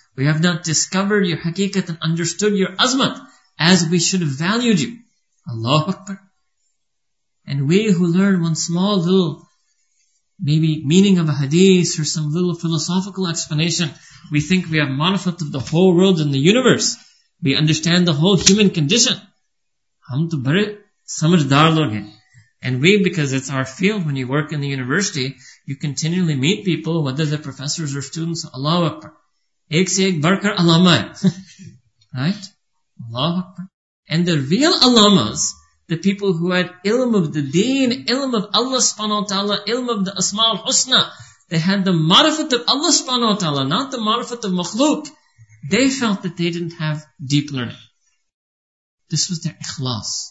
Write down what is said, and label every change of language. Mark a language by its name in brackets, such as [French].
[English] We have not discovered your haqiqat and understood your azmat as we should have valued you." Allahu Akbar. And we who learn one small little, maybe meaning of a hadith or some little philosophical explanation, we think we have manifest of the whole world and the universe. We understand the whole human condition. [Urdu] ہم تو بڑے سمجھدار لوگ ہیں. [English] And we, because it's our field, when you work in the university, you continually meet people, whether they're professors or students. [Arabic] Allahu Akbar. [Urdu] ایک سے ایک بڑھ کر علامہ ہے. [English] Right? [Arabic] Allahu Akbar. [English] And the real alamas, the people who had ilm of the deen, ilm of Allah subhanahu wa ta'ala, ilm of the asma'ul husna, they had the marifat of Allah subhanahu wa ta'ala, not the marifat of makhluk. They felt that they didn't have deep learning. This was their ikhlas.